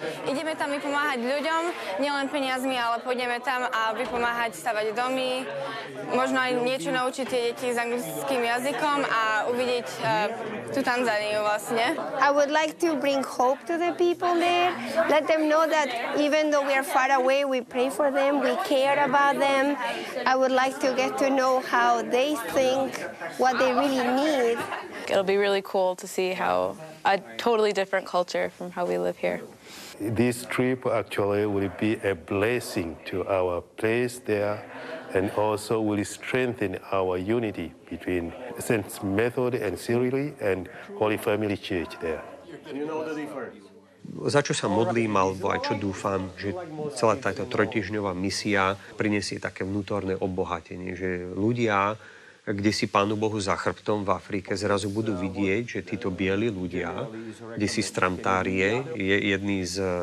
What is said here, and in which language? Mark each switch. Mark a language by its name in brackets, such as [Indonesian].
[Slovak] Ideme tam vypomáhať ľuďom, nielen peniazmi, ale pôjdeme tam a vypomáhať stavať domy, možno aj niečo naučiť tie deti s anglickým jazykom a uvidieť tú Tanzániu vlastne. [English] I would like to bring hope to the people there, let them know that even though we are far away, we pray for them, we care about them. I would like to get to know how they think, what they really need. It'll be really cool to see how a totally different culture from how we live here. This trip actually will be a blessing to our place there and also will strengthen our unity between St. Method and Cyril and Holy Family Church there. You know the difference. [Slovak] Za čo sa modlím, alebo aj čo dúfam, že celá táto trojtýždňová misia prinesie také vnútorné obohatenie, že ľudia, kde si Pánu Bohu za chrbtom v Afrike, zrazu budú vidieť, že títo bieli ľudia, kde si z Trantárie, jedný z